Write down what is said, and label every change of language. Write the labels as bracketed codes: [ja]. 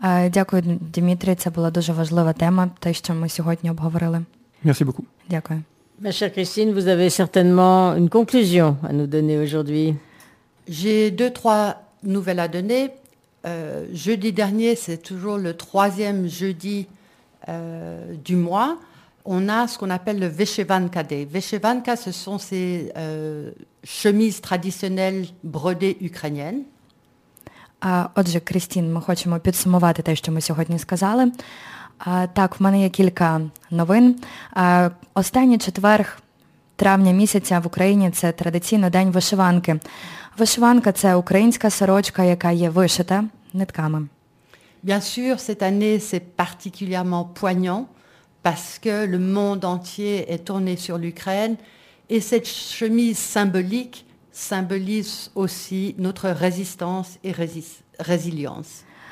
[uk] Дякую, Дмитрий, це була дуже важлива тема, те, що ми сьогодні обговорили. [fr] Merci beaucoup. [uk] Дякую. [fr] Ma chère Christine, vous avez certainement une conclusion à nous donner aujourd'hui. J'ai deux, trois nouvelles à donner. Jeudi dernier, c'est toujours le troisième jeudi du mois, on a ce qu'on appelle le Vechevanka Day. Vechevanka, ce sont ces chemises traditionnelles brodées ukrainiennes. [uk] Отже, Крістін, ми хочемо підсумувати те, що ми сьогодні сказали. Так, в мене є кілька новин. Останній четвер травня місяця в Україні – це традиційно день вишиванки. Вишиванка – це українська сорочка, яка є вишита нитками. [fr] Bien sûr, cette année, c'est particulièrement poignant, parce que le monde entier est tourné sur l'Ukraine, et cette chemise symbolique symbolise aussi notre résistance et résilience.